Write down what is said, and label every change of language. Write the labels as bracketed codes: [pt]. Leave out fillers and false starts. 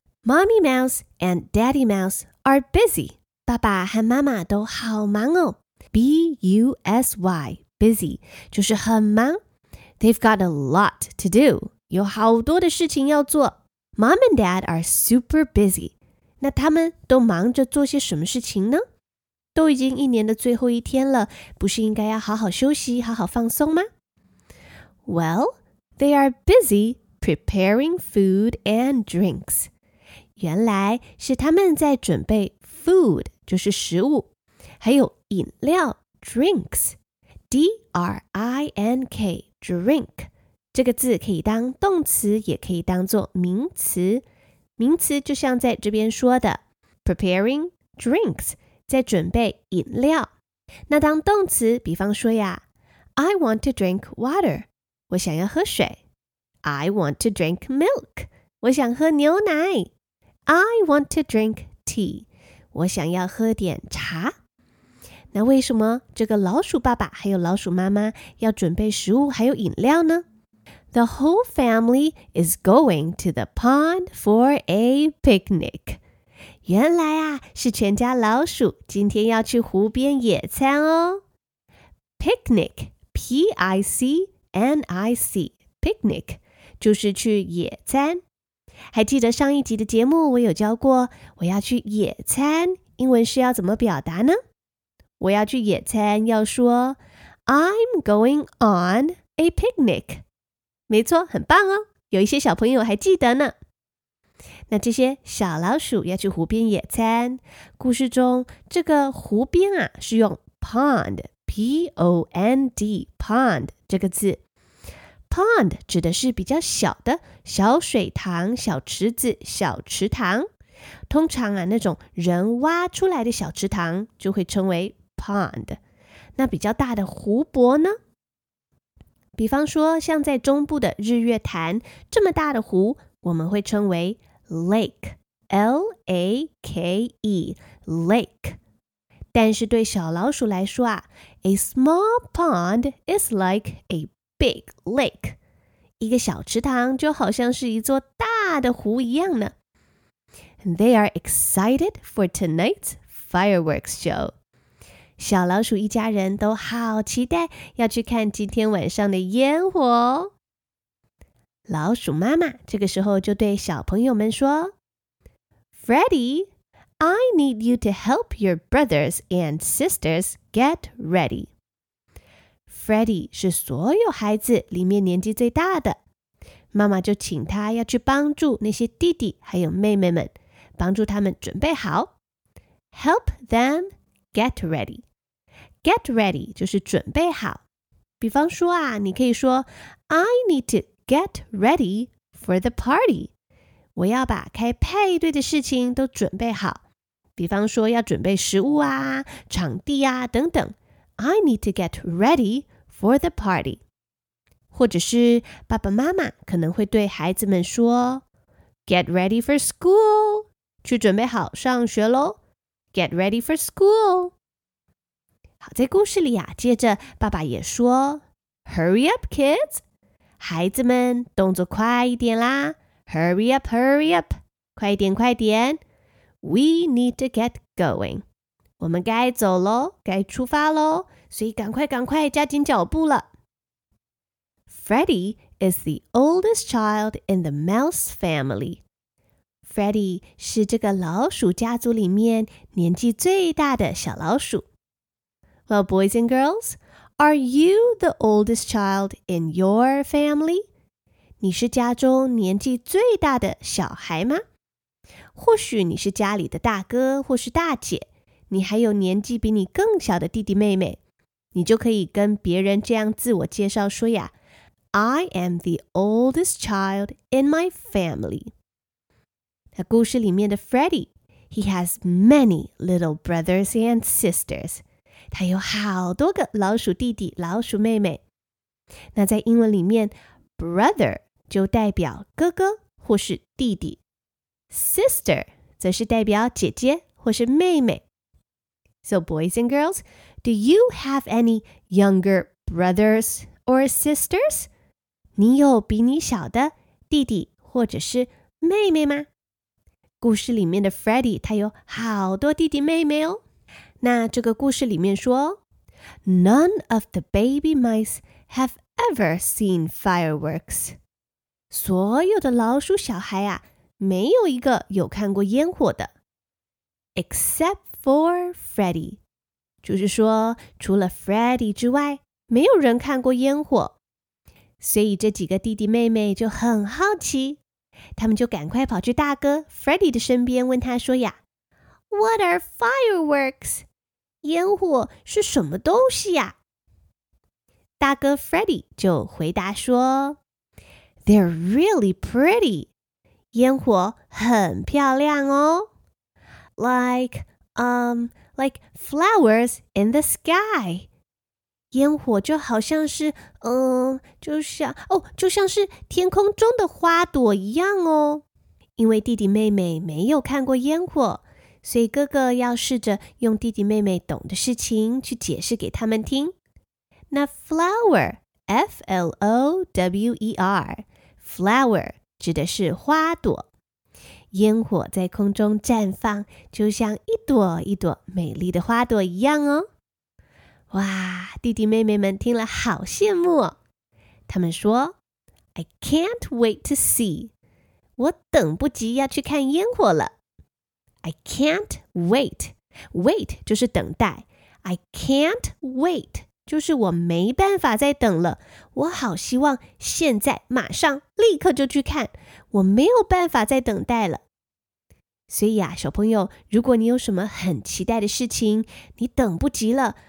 [en] Mommy Mouse and Daddy Mouse are busy. [zh] 爸爸和妈妈都好忙哦。 B-U-S-Y, busy, 就是很忙。 [en] They've got a lot to do. [zh] 有好多的事情要做。 [en] Mom and Dad are super busy. [zh] 那他们都忙着做些什么事情呢？都已经一年的最后一天了，不是应该要好好休息，好好放松吗？ [en] Well, they are busy preparing food and drinks. [zh] 原来是他们在准备 food, 就是食物，还有饮料 drinks, D-R-I-N-K, drink. 这个字可以当动词，也可以当做名词。名词就像在这边说的 [en] preparing drinks, [zh] 在准备饮料。那当动词，比方说呀 [en] I want to drink water, [zh] 我想要喝水。 [en] I want to drink milk, [zh] 我想喝牛奶。 [en] I want to drink tea, [zh] 我想要喝点茶。那为什么这个老鼠爸爸还有老鼠妈妈要准备食物还有饮料呢？ [en] The whole family is going to the pond for a picnic. [zh] 原来啊，是全家老鼠今天要去湖边野餐哦。 Picnic, P-I-C-N-I-C, picnic, 就是去野餐。还记得上一集的节目我有教过，我要去野餐，英文是要怎么表达呢？我要去野餐要说 [en] I'm going on a picnic. [zh] 没错，很棒哦，有一些小朋友还记得呢。那这些小老鼠要去湖边野餐，故事中这个湖边啊是用 pond, P-O-N-D, pond 这个字。 pond 指的是比较小的小水塘、小池子、小池塘，通常啊那种人挖出来的小池塘就会称为 pond。那比较大的湖泊呢，比方说像在中部的日月潭这么大的湖，我们会称为 lake, [en] L-A-K-E, lake. [zh] 但是对小老鼠来说啊 [en] a small pond is like a big lake. [zh] 一个小池塘就好像是一座大的湖一样呢。 [en] And they are excited for tonight's fireworks show. [zh] 小老鼠一家人都好期待要去看今天晚上的烟火。老鼠妈妈这个时候就对小朋友们说 [en] Freddy, I need you to help your brothers and sisters get ready. [zh] Freddy 是所有孩子里面年纪最大的。妈妈就请他要去帮助那些弟弟还有妹妹们帮助他们准备好。 [en] Help them get ready. Get ready [zh] 就是准备好。比方说啊你可以说 [en] I need to get ready for the party. [zh] 我要把开派对的事情都准备好。比方说要准备食物啊场地啊等等。 [en] I need to get ready for the party. [zh] 或者是爸爸妈妈可能会对孩子们说 [en] Get ready for school. [zh] 去准备好上学咯 [en] Get ready for school. [zh] 好在故事里啊接着爸爸也说 [en] Hurry up, kids. [zh] 孩子们动作快一点啦 [en] Hurry up, hurry up. [zh] 快一点快点 [en] We need to get going. [zh] 我们该走咯该出发咯所以赶快赶快加紧脚步了。 [en] Freddy is the oldest child in the mouse family. [zh] Freddy 是这个老鼠家族里面年纪最大的小老鼠。 [en] Well, boys and girls, are you the oldest child in your family? [zh] 你是家中年纪最大的小孩吗？或许你是家里的大哥或是大姐，你还有年纪比你更小的弟弟妹妹，你就可以跟别人这样自我介绍说呀 [en] I am the oldest child in my family. [zh] 那故事里面的 [en] Freddy, he has many little brothers and sisters. [zh] 他有好多个老鼠弟弟、老鼠妹妹。那在英文里面 ,brother 就代表哥哥或是弟弟。 Sister 则是代表姐姐或是妹妹。 [en] So boys and girls, do you have any younger brothers or sisters? [zh] 你有比你小的弟弟或者是妹妹吗？故事里面的 Freddy 他有好多弟弟妹妹哦。那这个故事里面说 [en] None of the baby mice have ever seen fireworks. [zh] 所有的老鼠小孩啊没有一个有看过烟火的。 [en] Except for Freddy. [zh] 就是说除了 Freddy 之外没有人看过烟火。所以这几个弟弟妹妹就很好奇。他们就赶快跑去大哥 Freddy 的身边问他说呀 [en] What are fireworks? [zh] 烟火是什么东西呀？大哥 Freddy 就回答说 [en] They're really pretty. [zh] 烟火很漂亮哦。 [en] Like flowers in the sky. [zh] 烟火就好像是就像是天空中的花朵一样哦。因为弟弟妹妹没有看过烟火，所以哥哥要试着用弟弟妹妹懂的事情去解释给他们听。那 flower, F-L-O-W-E-R, flower 指的是花朵。烟火在空中绽放，就像一朵一朵美丽的花朵一样哦。哇弟弟妹妹们听了好羡慕哦。他们说 [en] I can't wait to see. [zh] 我等不及要去看烟火了。 [en] I can't wait. Wait [zh] 就是等待。 [en] I can't wait. [zh] 就是我没办法再等了。我好希望现在马上立刻就去看。我没有办法再等待了。所以啊小朋友如果你有什么很期待的事情你等不及了。